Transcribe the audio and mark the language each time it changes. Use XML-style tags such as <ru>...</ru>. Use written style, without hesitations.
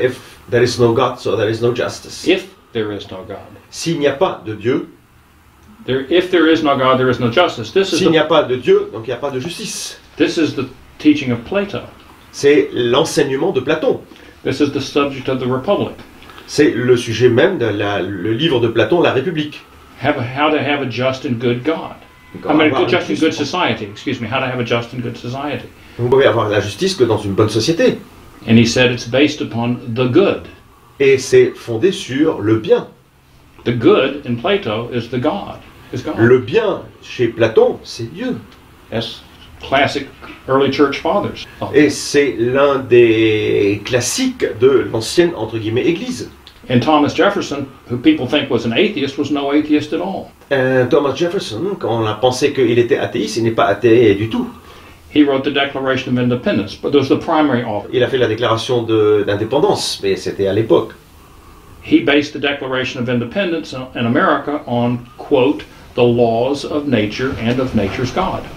<en>If there is no God, so there is no justice. If there is no God.</en> <fr>S'il n'y a pas de Dieu,</fr> <en>if there is no God, there is no justice. This is</en> <fr>s'il n'y a pas de Dieu, donc il n'y a pas de justice.</fr> <en>This is the teaching of Plato.</en> <fr>C'est l'enseignement de Platon.</fr> <en>This is the subject of the Republic.</en> <fr>C'est le sujet même de le livre de Platon, La République.</fr> <en>How to have a just and good God. I mean, a just and good society. Excuse me, how to have a just and good society.</en> <fr>Vous pouvez avoir la justice que dans une bonne société.</fr> <en>And he said it's based upon the good.</en> <fr>Et c'est fondé sur le bien.</fr> <en>The good in Plato is the God. Is God.</en> <fr>Le bien chez Platon, c'est Dieu.</fr> <en>Yes, classic early church fathers.</en> <fr>Et c'est l'un des classiques de l'ancienne entre guillemets église.</fr> <en>And Thomas Jefferson, who people think was an atheist, was no atheist at all.</en> <fr>Thomas Jefferson, quand on a pensé qu'il était athéiste, il n'est pas athée du tout.</fr> <en>He wrote the Declaration of Independence, but it was the primary author.</en> <fr>Il a fait la déclaration d'indépendance, mais c'était à l'époque.</fr> <en>He based the Declaration of Independence in America on, quote, the laws of nature and of nature's God.</en>